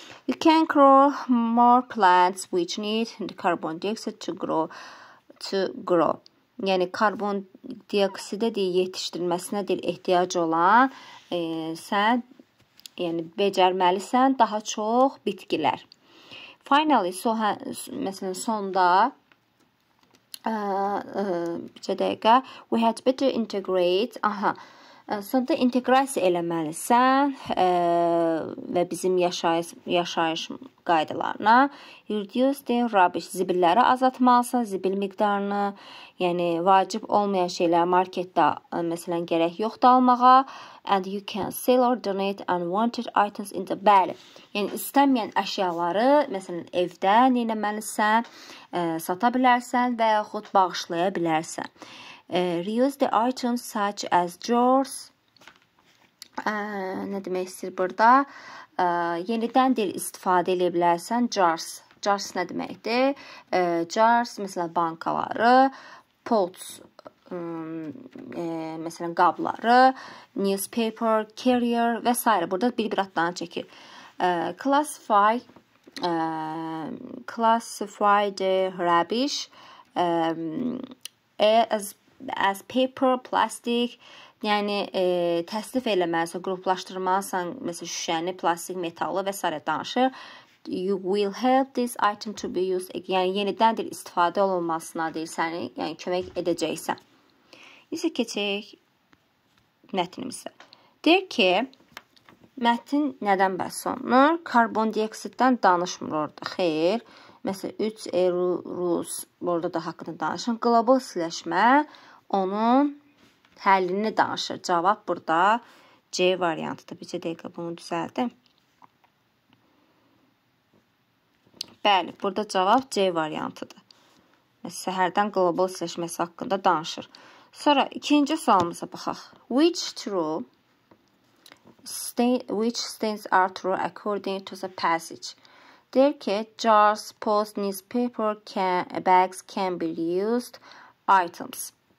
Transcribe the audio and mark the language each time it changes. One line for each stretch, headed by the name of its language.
English: You can grow more plants which need the carbon dioxide to grow.
Azerbaijani: Yəni karbon dioksidə deyə yetişdirilməsinə deyə ehtiyac olan sən yəni becərməlisən daha çox bitkilər.
English: Finally, so
Azerbaijani: məsələn sonda bir dəqiqə
English: we had better integrate. Aha.
Azerbaijani: Sonda inteqrasiya eləməlisən və bizim yaşayış qaydalarına
English: reduce the rubbish,
Azerbaijani: zibilləri azaltmalısan, zibil miqdarını, yəni vacib olmayan şeylər marketdə, məsələn, gərək yoxdur almağa
English: and you can sell or donate unwanted items in the bag.
Azerbaijani: Yəni istəməyən əşyaları, məsələn, evdə nə etməlisən, sata bilərsən və yaxud bağışlaya bilərsən.
English: Reuse the items such as drawers.
Azerbaijani: Nə demək istəyir burada? Yenidən deyil istifadə edə bilərsən. Jars. Jars nə deməkdir? Jars, məsələn, bankaları, pots, məsələn, qabları, newspaper, carrier və s. Burada bir-bir addan çəkir. Classify
English: classified rubbish as paper, plastic.
Azerbaijani: Yəni təsnif eləməlisə, qruplaşdırmalısan, məsələn, şüşəni, plastik, metalı və s. danışır.
English: You will help this item to be used again.
Azerbaijani: Yəni yenidən də istifadə olunmasına deyil səni, yəni kömək edəcəksən. İndi keçək mətnimizə. Deyir ki, mətn nədən bəhs olunur? Karbon dioksiddən danışmır orada. Xeyr. Məsələn, 3 Rus burada da haqqında danışır. Qlobal istiləşmə onun həllini danışır. Cavab burada C variantıdır. Bir dəqiqə bunu düzəldim. Bəli, burada cavab C variantıdır. Məsələn, səhərdən qlobal istiləşməsi haqqında danışır. Sonra ikinci sualımıza baxaq.
English: Which stains are true according to the passage? Deyir ki, jars, pots, newspaper, bags can be used items.